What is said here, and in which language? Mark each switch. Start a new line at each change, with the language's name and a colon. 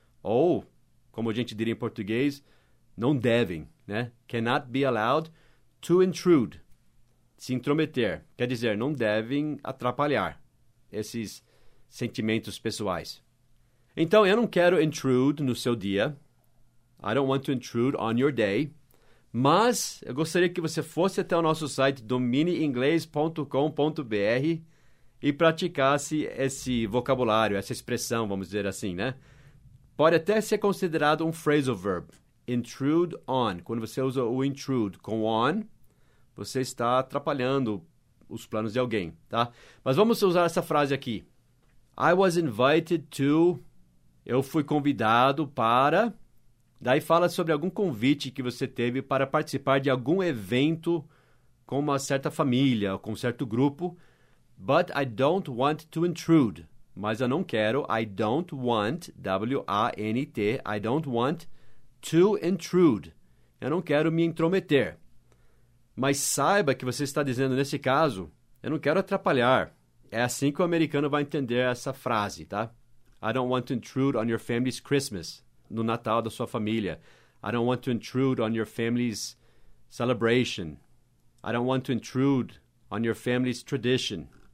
Portuguese: Ou, como a gente diria em português, não devem, né?
English: Cannot be allowed to intrude,
Portuguese: se intrometer. Quer dizer, não devem atrapalhar esses sentimentos pessoais. Então, eu não quero intrude no seu dia.
English: I don't want to intrude on your day.
Portuguese: Mas eu gostaria que você fosse até o nosso site dominiinglês.com.br e praticasse esse vocabulário, essa expressão, vamos dizer assim, né? Pode até ser considerado um phrasal verb. Intrude on. Quando você usa o intrude com on, você está atrapalhando os planos de alguém, tá? Mas vamos usar essa frase aqui.
English: I was invited to.
Portuguese: Eu fui convidado para. Daí fala sobre algum convite que você teve para participar de algum evento com uma certa família, com um certo grupo.
English: But I don't want to intrude.
Portuguese: Mas eu não quero.
English: I don't want, W-A-N-T, I don't want to intrude.
Portuguese: Eu não quero me intrometer. Mas saiba que você está dizendo nesse caso, eu não quero atrapalhar. É assim que o americano vai entender essa frase, tá?
English: I don't want to intrude on your family's Christmas.
Portuguese: No Natal da sua família.
English: I don't want to intrude on your family's celebration. I don't want to intrude on your family's tradition.